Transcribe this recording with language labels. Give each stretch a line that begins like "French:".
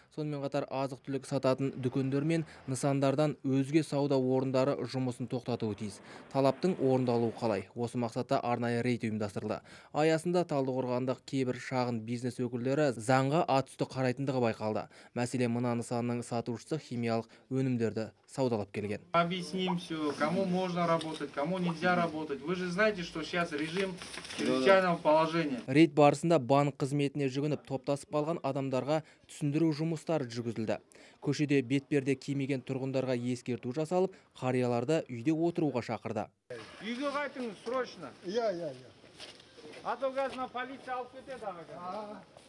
Kazakh: Сонымен қатар азық-түлік сататын дүкендер мен нысандардан өзге сауда орындары жұмысын тоқтатуы тиіс. Талаптың орындалуы қалай? Осы мақсатта арнайы рейд ұйымдастырылды. Аясында талдықорғандық кейбір шағын бизнес өкілдері заңға атүсті қарайтындығы байқалды. Мәселе мына нысанның сатушысы химиялық өнімдерді саудалап келген.
Russian: Объясним все, кому можно работать, кому нельзя работать. Вы же знаете, что сейчас режим чрезвычайного положения.
Kazakh: Рейд барысында банк қызметіне жүгініп топтасып алған адамдарға түсіндіру жұмыстары жүргізілді. Көшеде бетперде кимеген тұрғындарға ескерту жасалып, қарияларды үйде отыруға шақырды. Үйге қайтыңыз
Russian: срочно.
Kazakh: Иә. Атогазна полиция алып кетеді ағаға.